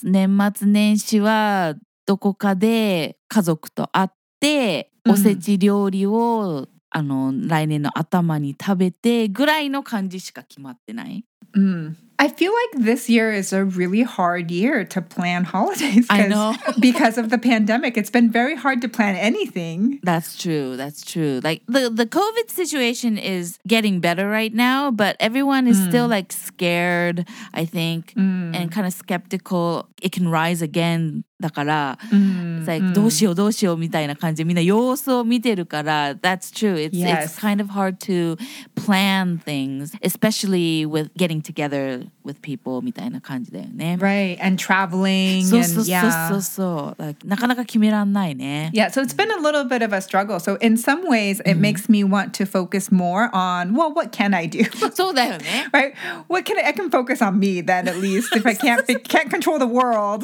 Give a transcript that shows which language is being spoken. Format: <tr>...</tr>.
<ja>年末年始はどこかで家族と会って、おせち料理を、あの、来年の頭に食べてぐらいの感じしか決まってない。</ja> <en>I feel like this year is a really hard year to plan holidays. I know. Because of the pandemic, it's been very hard to plan anything. That's true. That's true. Like the COVID situation is getting better right now, but everyone is still like scared, I think, and kind of skeptical. It can rise again.</en> <ja>だから、</ja> <en>it's like,</en> <ja>どうしようどうしようみたいな感じでみんな様子を見てるから、</ja> <en>that's true. It's kind of hard to plan things, especially with getting together. With people</en> <ja>みたいな感じだよね。</ja> <en>Right, and traveling.</en> <ja>そうそうそうそうそう。</ja> <en>Like,</en> <ja>なかなか決めらんないね。</ja> <en>Yeah, so it's been a little bit of a struggle. So in some ways, it makes me want to focus more on, well, what can I do?</en> <ja>そうだよね。</ja> <en>Right, what can I can focus on me then at least if I can't control the world.</en>